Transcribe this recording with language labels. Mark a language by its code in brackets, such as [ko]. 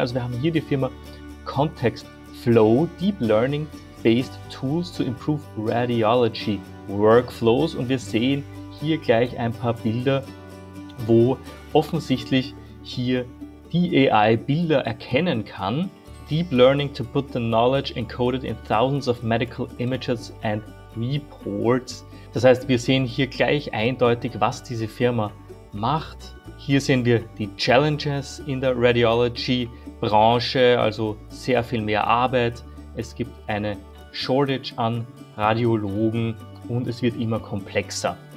[de] Also wir haben hier die Firma Context Flow, [en] Deep Learning Based Tools to Improve Radiology Workflows. [de] Und wir sehen hier gleich ein paar Bilder, wo offensichtlich hier die AI Bilder erkennen kann. [en] Deep Learning to put the knowledge encoded in thousands of medical images and reports. [de] Das heißt, wir sehen hier gleich eindeutig, was diese Firma macht. Hier sehen wir die Challenges in der Radiology-Branche, also sehr viel mehr Arbeit. Es gibt eine Shortage an Radiologen und es wird immer komplexer.